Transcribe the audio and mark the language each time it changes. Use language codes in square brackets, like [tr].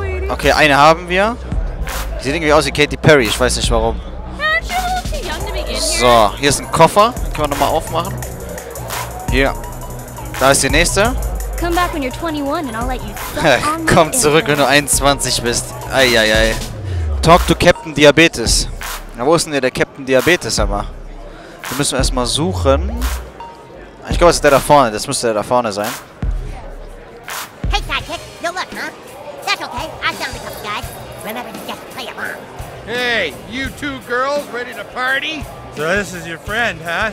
[de] Okay, eine haben wir. Sie sieht irgendwie aus wie Katy Perry. Ich weiß nicht warum. So, hier ist ein Koffer. Können wir nochmal aufmachen. Hier. Da ist die nächste. [en] Come back when you're 21 and I'll let you suck on [de] Komm zurück, wenn du 21 bist. Eieiei. [en] Talk to Captain Diabetes. [de] Na, wo ist denn der Captain Diabetes, aber? Wir müssen erstmal suchen. Ich glaube, das ist der da vorne. Das müsste der da vorne sein. [en] Hey, Sidekick. No luck, huh? That's okay. I've done a couple guys. Remember to just play along. Hey, you two girls ready to party? So this is your friend, huh?